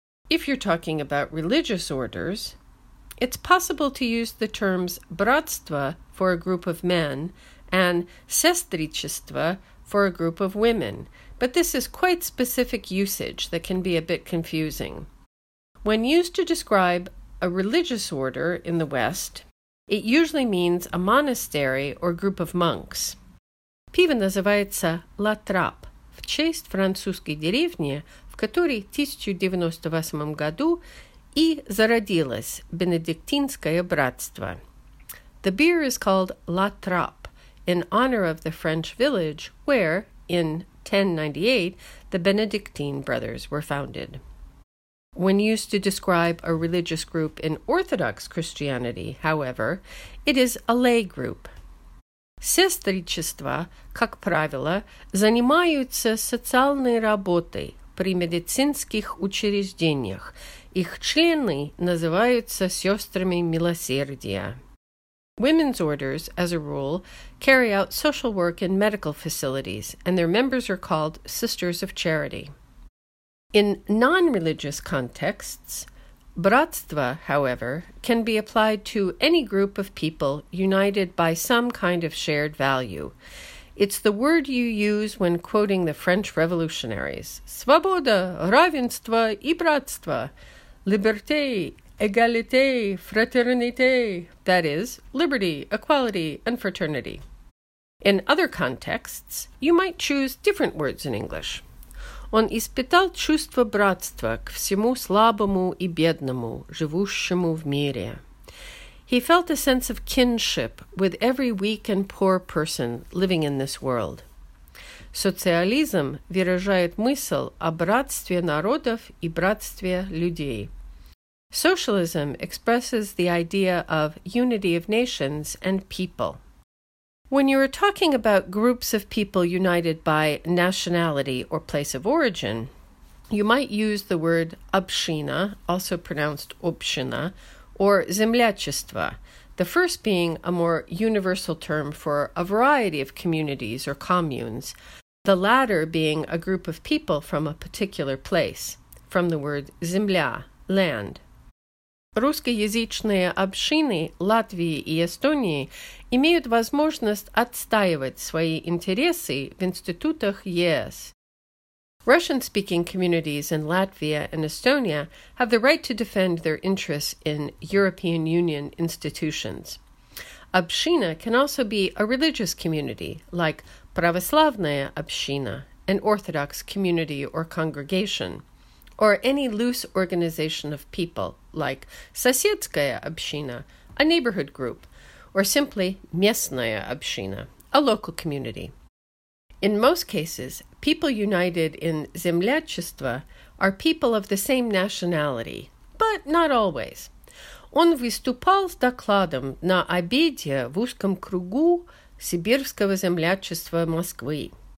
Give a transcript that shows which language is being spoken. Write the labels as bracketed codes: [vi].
[en] If you're talking about religious orders, it's possible to use the terms bratstvo for a group of men and sestrichestvo for a group of women, but this is quite specific usage that can be a bit confusing. When used to describe a religious order in the West, it usually means a monastery or group of monks. [ru] Пиво называется La Trappe, в честь французской деревни, в которой в 1098 году и зародилось Бенедиктинское братство. [en] The beer is called La Trappe, in honor of the French village where, in 1098, the Benedictine brothers were founded. When used to describe a religious group in Orthodox Christianity, however, it is a lay group. [ru] Сестричества, как правило, занимаются социальной работой при медицинских учреждениях. Их члены называются сестрами милосердия. [en] Women's orders, as a rule, carry out social work in medical facilities, and their members are called Sisters of Charity. In non-religious contexts, bratstvo, however, can be applied to any group of people united by some kind of shared value. It's the word you use when quoting the French revolutionaries. [ru] Свобода, равенство и братство. [fr] Liberté, égalité, fraternité. [en] That is, liberty, equality, and fraternity. In other contexts, you might choose different words in English. [ru] Он испытал чувство братства к всему слабому и бедному, живущему в мире. [en] He felt a sense of kinship with every weak and poor person living in this world. [ru] Социализм выражает мысль о братстве народов и братстве людей. [en] Socialism expresses the idea of unity of nations and people. When you are talking about groups of people united by nationality or place of origin, you might use the word община, also pronounced община, or землячество, the first being a more universal term for a variety of communities or communes, the latter being a group of people from a particular place, from the word земля, land. [ru] Русскоязычные общины Латвии и Эстонии имеют возможность отстаивать свои интересы в институтах ЕС. [en] Russian-speaking communities in Latvia and Estonia have the right to defend their interests in European Union institutions. Община can also be a religious community, like Pravoslavnaya Община, an Orthodox community or congregation, or any loose organization of people, like Соседская Община, a neighborhood group, or simply Местная Община, a local community. In most cases, people united in землячество are people of the same nationality, but not always. [ru] Он выступал с докладом на обеде в узком кругу Сибирского землячества Москвы.